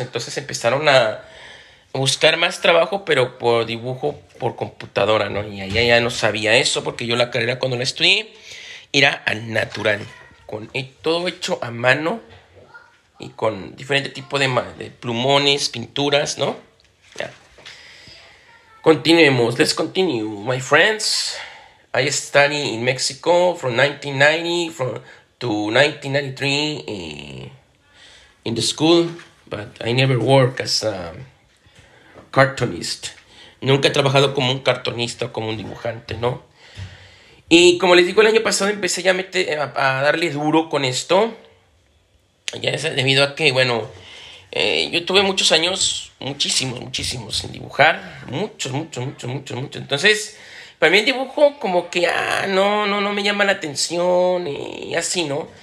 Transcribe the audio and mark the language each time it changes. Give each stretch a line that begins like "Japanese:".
Spanish: Entonces empezaron a buscar más trabajo, pero por dibujo por computadora, ¿no? Y ahí ya no sabía eso, porque yo la carrera cuando la estudié era al natural, con todo hecho a mano y con diferente tipo de plumones, pinturas, ¿no? Continuemos,
English: let's continue, my friends. I study in Mexico from 1990 to 1993 in the school, but I never work as a cartoonist.
Spanish: Nunca he trabajado como un cartonista o como un dibujante, ¿no? Y como les digo, el año pasado empecé ya a darle duro con esto. Ya es debido a que, bueno, Yo tuve muchos años, muchísimos, muchísimos, sin dibujar. Muchos, muchos, muchos, muchos, muchos. Entonces, para mí el dibujo como que, no, no, no me llama la atención y así, ¿no?